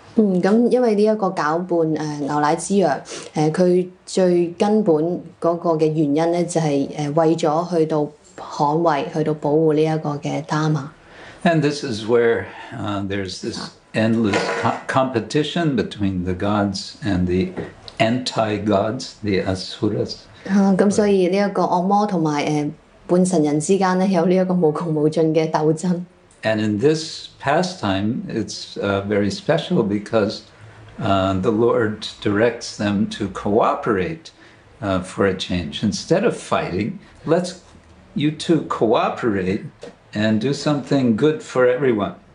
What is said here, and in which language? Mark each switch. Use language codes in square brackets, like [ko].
[yue] 咁因為呢一個攪拌牛奶滋養佢最根本嗰個嘅原因咧，就係為咗去到捍衞、去到保護呢一個嘅 Dharma。 [en] And this is where there's this endless competition between the gods and the anti-gods, the asuras. [yue] 咁所以呢一個惡魔同埋半神人之間咧，有呢一個無窮無盡嘅鬥爭。 [en] And in this pastime, it's very special because the Lord directs them to cooperate for a change. Instead of fighting, let's you two cooperate and do something good for everyone.